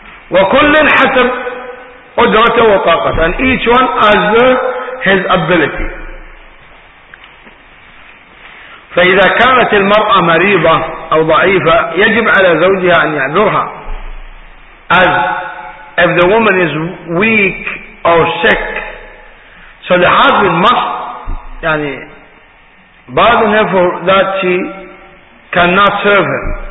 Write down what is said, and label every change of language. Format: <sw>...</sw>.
<ar>وكل حسب قدرته وطاقته,</ar> <en>and each one as his ability.</en> <ar>فإذا كانت المرأة مريضة أو ضعيفة يجب على زوجها أن يعذرها.</ar> <en>As if the woman is weak or sick, so the husband must يعني burden her for that she cannot serve him.</en>